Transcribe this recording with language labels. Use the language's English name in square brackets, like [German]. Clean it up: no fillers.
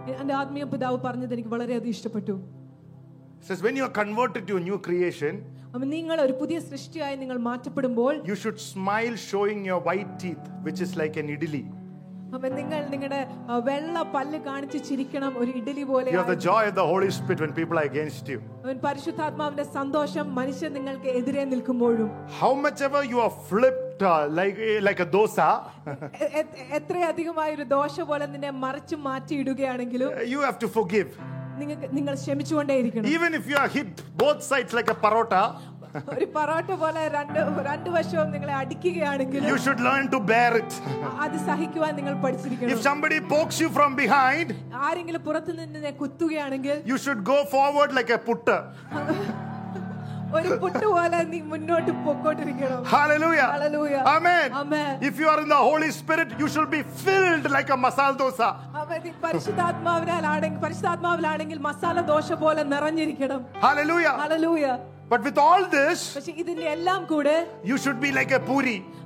[Malayalam] എന്റെ ആത്മീയ പിതാവ് പറഞ്ഞത് എനിക്ക് വളരെ അധികം ഇഷ്ടപ്പെട്ടു. [English] Says when you are converted to a new creation, [Malayalam] നിങ്ങൾ ഒരു പുതിയ സൃഷ്ടിയായി നിങ്ങൾ മാറ്റപ്പെടുമ്പോൾ, [English] you should smile showing your white teeth, which is like an idli. [Malayalam] നിങ്ങൾ നിങ്ങളുടെ വെള്ള പല്ല് കാണിച്ച് ചിരിക്കണം, ഒരു ഇഡലി പോലെ. [English] You have the joy of the Holy Spirit when people are against you. [Malayalam] പരിശുദ്ധാത്മാവിന്റെ സന്തോഷം മനുഷ്യർ നിങ്ങൾക്ക് എതിരെ നിൽക്കുമ്പോഴും. [English] How much ever you are flipped like a dosa, [Malayalam] എത്ര അധികമായ ഒരു ദോശ പോലെ നിന്നെ മറിച്ചു മാറ്റിയിടുകയാണെങ്കിലും, [English] you have to forgive. [Malayalam] നിങ്ങൾ ക്ഷമിച്ചുകൊണ്ടേ ഇരിക്കണം. [English] Even if you are hit both sides like a parota, [Malayalam] ഒരു പറോട്ട പോലെ രണ്ടു വശവും നിങ്ങളെ അടിക്കുകയാണെങ്കിൽ, [English] you should learn to bear it. [Malayalam] അത് സഹിക്കുവാൻ നിങ്ങൾ പഠിച്ചിരിക്കണം. [English] If somebody pokes you from behind, [Malayalam] ആരെങ്കിലും പുറത്തു നിന്നെ കുത്തുകയാണെങ്കിൽ, [English] you should go forward like a putt. [Malayalam] ഒരു പുട്ട് പോലെ നീ മുന്നോട്ട് പോയിക്കൊണ്ടിരിക്കണം. [English] Hallelujah. Hallelujah. Amen. Amen. If you are in the Holy Spirit, you should be filled like a masala dosa. [Malayalam] പരിശുദ്ധാത്മാവിലാണെങ്കിൽ masala dosa പോലെ നിറഞ്ഞിരിക്കണം. [English] Hallelujah. Hallelujah. But with all this, you should be like a puri.